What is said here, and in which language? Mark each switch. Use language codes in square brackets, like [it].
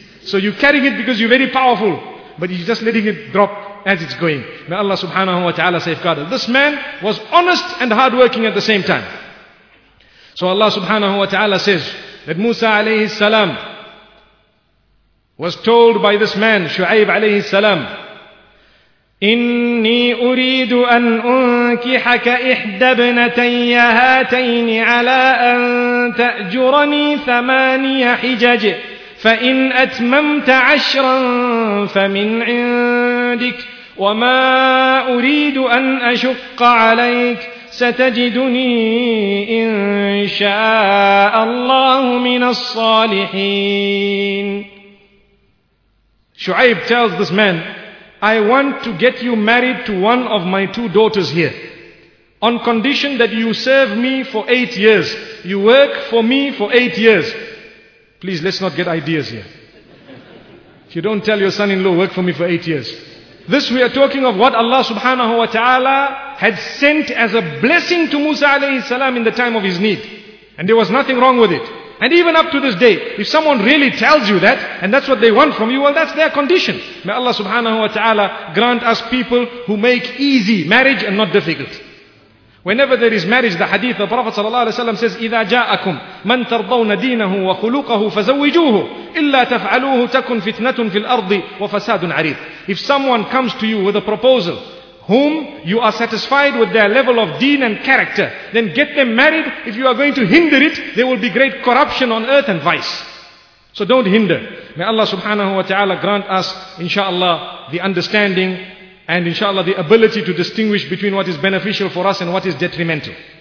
[en] So you're carrying it because you're very powerful, but you're just letting it drop as it's going. May Allah subhanahu wa ta'ala safeguard it. This man was honest and hardworking at the same time. So Allah subhanahu wa ta'ala says that Musa alayhi salam was told by this man, Shu'ayb alayhi salam, [ar] إني أريد أن أنكحك إحدى بنتي هاتين على أن تأجرني ثماني حجج فإن أتممت عشرا فمن عندك وما أريد أن أشق عليك ستجدني إن شاء الله من الصالحين. [en] Shu'ayb tells this man, I want to get you married to one of my two daughters here on condition that you serve me for 8 years. You work for me for 8 years. Please, let's not get ideas here. If you don't tell your son-in-law, work for me for 8 years. This we are talking of what Allah subhanahu wa ta'ala had sent as a blessing to Musa alayhi salam in the time of his need. And there was nothing wrong with it. And even up to this day, if someone really tells you that, and that's what they want from you, well, that's their condition. May Allah subhanahu wa ta'ala grant us people who make easy marriage and not difficult. Whenever there is marriage, the hadith of Prophet sallallahu alaihi wasallam says, [ar] إِذَا جَاءَكُمْ مَنْ تَرْضَوْنَ دِينَهُ وَخُلُوقَهُ فَزَوِّجُوهُ إِلَّا تَفْعَلُوهُ تَكُنْ فِتْنَةٌ فِي الْأَرْضِ وَفَسَادٌ عَرِيضٌ. [en] If someone comes to you with a proposal whom you are satisfied with their level of deen and character, then get them married. If you are going to hinder it, there will be great corruption on earth and vice. So don't hinder. May Allah subhanahu wa ta'ala grant us, inshallah, the understanding and inshallah the ability to distinguish between what is beneficial for us and what is detrimental.